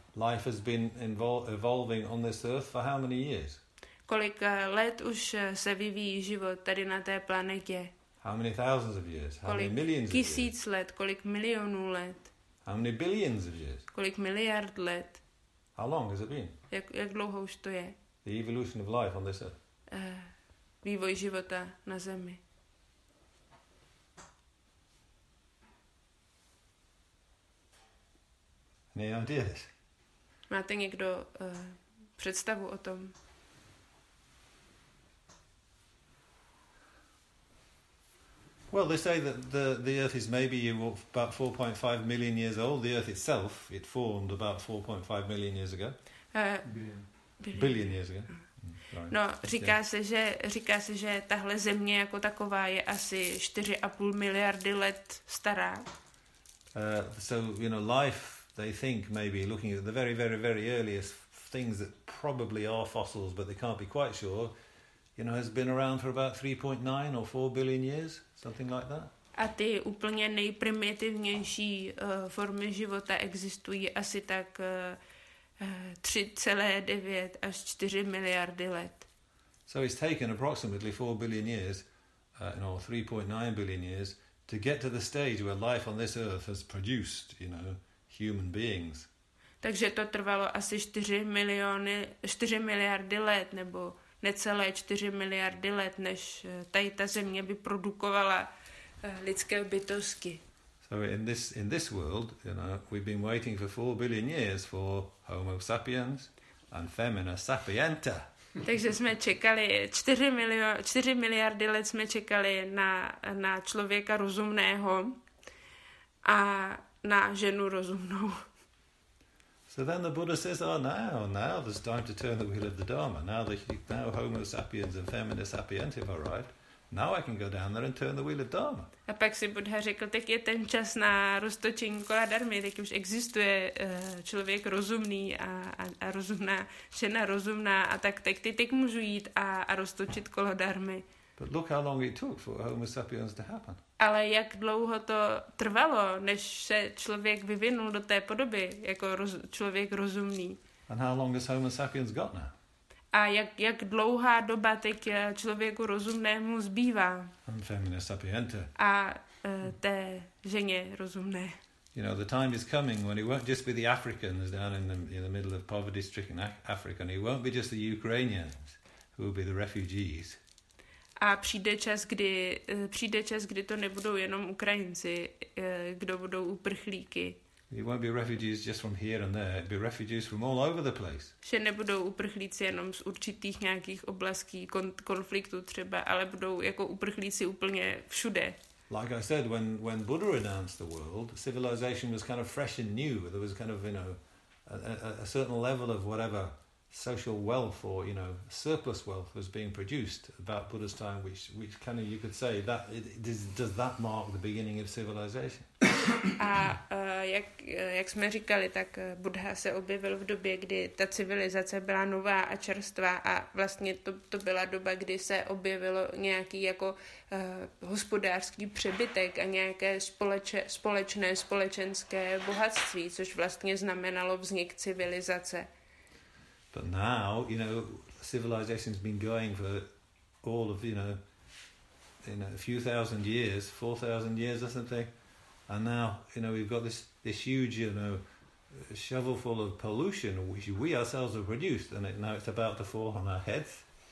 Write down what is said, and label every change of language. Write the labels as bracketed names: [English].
[English] Life has been evolving on this earth for how many years? [Czech] Kolik let už se vyvíjí život tady na té planetě? [English] How many thousands of years? How many millions of years? [Czech] Kolik tisíc let, kolik milionů let? [English] How many billions of years? [Czech] Kolik miliard let? [English] How long has it been? [Czech] Jak dlouho už to je? [English] The evolution of life on this earth. [Czech] Vývoj života na Zemi. [English] Any ideas? [Czech] Máte někdo představu o tom? [English] Well, they say that the Earth is maybe about 4.5 million years old. The Earth itself, it formed about 4.5 million years ago. Billion years ago. [Czech] No, říká se, že tahle země jako taková je asi 4,5 miliardy let stará. [English] So, you know, life, they think, maybe looking at the very, very, very earliest things that probably are fossils, but they can't be quite sure, you know, has been around for about 3.9 or 4 billion years, something like that. [Czech] A ty úplně nejprimitivnější formy života existují asi tak 3,9 až 4 miliardy let. [English] So it's taken approximately 4 billion years, you know, 3.9 billion years, to get to the stage where life on this earth has produced, you know, human beings. [Czech] Takže to trvalo asi 4 miliardy let, nebo necelé 4 miliardy let, než tady ta země by produkovala lidské bytosti. [English] So in this world, you know, we've been waiting for 4 billion years for Homo sapiens and Femina sapienta. [Czech] Takže jsme čekali 4 miliardy let jsme čekali na člověka rozumného. a na ženu rozumnou. [English] So then the Buddha says, oh, now there's time to turn the wheel of the Dharma. Now Homo sapiens and Feminist sapiens have arrived. Now I can go down there and turn the wheel of Dharma. [Czech] A pak si Buddha řekl, tak je ten čas na roztočení kola dharmy, tak už existuje člověk rozumný a rozumná, žena rozumná, a tak ty teď můžu jít a roztočit kolo dharmy. [English] But look how long it took for Homo sapiens to happen. [Czech] Ale jak dlouho to trvalo, než se člověk vyvinul do té podoby, jako člověk rozumný. [English] And how long has Homo sapiens got now? [Czech] A jak dlouhá doba teď člověku rozumnému zbývá. [English] And feminist sapiente. [Czech] A té ženě rozumné. [English] You know, the time is coming when it won't just be the Africans down in the middle of poverty stricken Africa, and it won't be just the Ukrainians who will be the refugees. [Czech] A přijde čas, kdy to nebudou jenom Ukrajinci, kdo budou uprchlíky. [English] It won't be refugees just from here and there. It'll be refugees from all over the place. [Czech] Že nebudou uprchlíci jenom z určitých nějakých oblastí konfliktu třeba, ale budou jako uprchlíci úplně všude. [English] Like I said, when Buddha announced the world, civilization was kind of fresh and new. There was kind of, you know, a certain level of whatever social wealth or, you know, surplus wealth was being produced about Buddha's time, which kind of you could say that does that mark the beginning of civilization? [Czech] A jak jsme říkali, tak Buddha se objevil v době, kdy ta civilizace byla nová a čerstvá, a vlastně to byla doba, kdy se objevilo nějaký jako hospodářský přebytek a nějaké společné společenské bohatství, což vlastně znamenalo vznik civilizace. [English] But now, you know, civilization's been going for all of, in a few thousand years, 4,000 years or something. And now, you know, we've got this huge, you know, shovel full of pollution, which we ourselves have produced, and now it's about to fall on our heads.